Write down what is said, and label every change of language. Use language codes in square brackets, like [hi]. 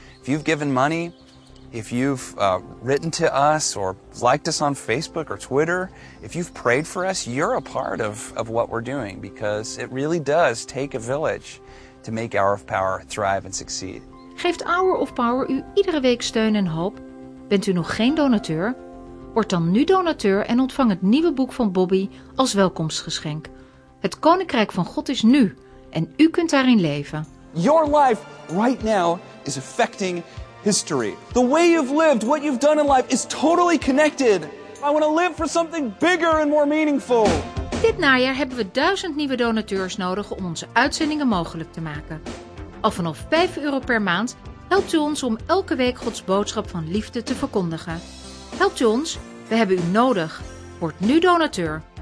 [en] If you've given money, if you've written to us or liked us on Facebook or Twitter, if you've prayed for us, you're a part of what we're doing, because it really does take a village to make Hour of Power thrive and succeed. [nl] Geeft Hour of Power u iedere week steun en hoop? Bent u nog geen donateur? Word dan nu donateur en ontvang het nieuwe boek van Bobby als welkomstgeschenk. Het Koninkrijk van God is nu en u kunt daarin leven. [en] Your life right now is affecting history. The way you've lived, what you've done in life is totally connected. I want to live for something bigger and more meaningful. [nl] Dit najaar hebben we 1000 nieuwe donateurs nodig om onze uitzendingen mogelijk te maken. Al vanaf 5 euro per maand helpt u ons om elke week Gods boodschap van liefde te verkondigen. Helpt u ons? We hebben u nodig. Word nu donateur.